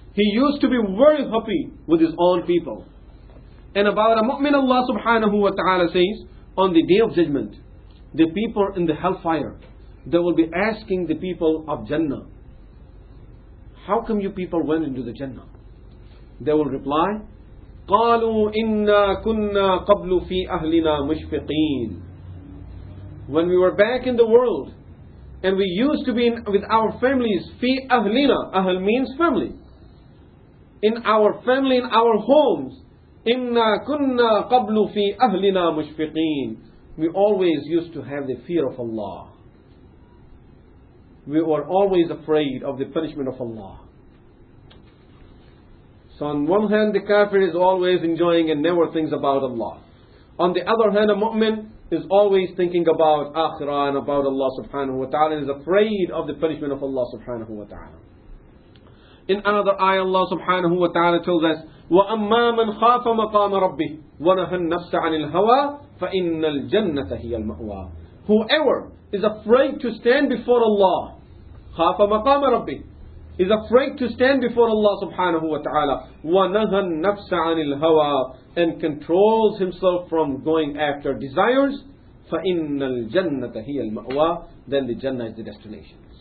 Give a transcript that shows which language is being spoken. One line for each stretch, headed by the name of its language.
English: He used to be very happy with his own people. And about a mu'min, Allah subhanahu wa ta'ala says, on the day of judgment, the people in the hellfire, they will be asking the people of Jannah, how come you people went into the Jannah? They will reply,
Arabic: قَالُوا إِنَّا كُنَّا قَبْلُ فِي أَهْلِنَا مُشْفِقِينَ.
English: When we were back in the world, and we used to be with our families,
Arabic: فِي أَهْلِنَا,
English: أَهْل means family. In our family, in our homes,
Arabic: إِنَّا كُنَّا قَبْلُ فِي أَهْلِنَا مُشْفِقِينَ.
English: We always used to have the fear of Allah. We were always afraid of the punishment of Allah. So on one hand, the kafir is always enjoying and never thinks about Allah. On the other hand, a mu'min is always thinking about akhirah and about Allah subhanahu wa ta'ala and is afraid of the punishment of Allah subhanahu wa ta'ala. In another ayah, Allah subhanahu wa ta'ala tells us,
Arabic: وَأَمَّا مَنْ خَافَ مَقَامَ رَبِّهِ وَنَهَا النَّفْسَ عَنِ الْهَوَى فَإِنَّ الْجَنَّةَ هِيَ الْمَأْوَى.
English: Whoever is afraid to stand before Allah,
Arabic: خَافَ مَقَامَ رَبِّهِ,
English: is afraid to stand before Allah subhanahu wa ta'ala,
Arabic: وَنَهَا النَّفْسَ عَنِ الْهَوَى,
English: and controls himself from going after desires,
Arabic: فَإِنَّ الْجَنَّةَ هِيَ الْمَأْوَى,
English: then the Jannah is the destination.